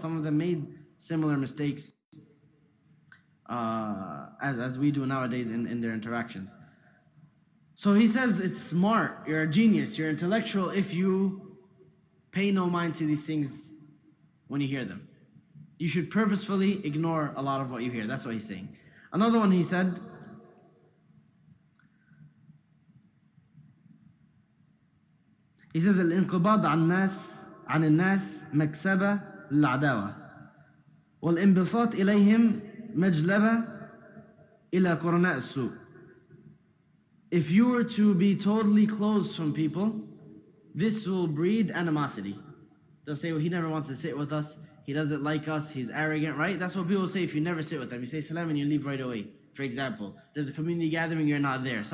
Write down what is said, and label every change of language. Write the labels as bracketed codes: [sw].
[en] Some of them made similar mistakes as we do nowadays in their interactions. So he says it's smart, you're a genius, you're intellectual if you pay no mind to these things when you hear them. You should purposefully ignore a lot of what you hear. That's what he's saying. Another one he said, [ar] الانقباض عن الناس عن الناس مكسبة للعداوة والانبساط إليهم مجلبة إلى قرناء السوء. [en] If you were to be totally closed from people, this will breed animosity. They'll say, "Well, he never wants to sit with us. He doesn't like us. He's arrogant," right? That's what people say if you never sit with them. You say salam and you leave right away. For example, there's a community gathering, you're not there.